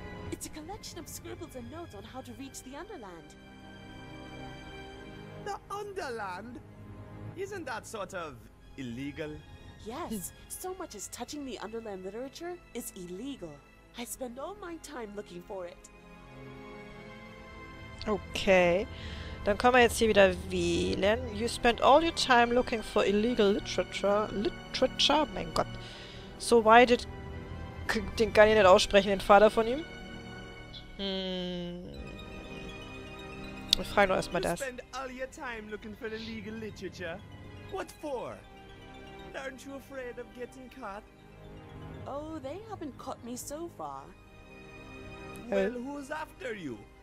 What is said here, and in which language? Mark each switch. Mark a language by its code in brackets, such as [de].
[en] It's a collection of scribbles and notes on how to reach the Underland. The Underland? Isn't that sort of illegal? Yes, so much as touching the Underland literature is illegal. I spend all my time looking for it. [de] Okay, dann können wir jetzt hier wieder wählen. [en] You spend all your time looking for illegal literature? [de] Mein Gott. [en] So why did... [de] Den kann ich nicht aussprechen, den Vater von ihm? Hm. Ich frage nur erstmal das. [en] You spend all your time looking for illegal literature? What for? Aren't you afraid of getting caught? Oh, they haven't caught me so far. Well, who's after you?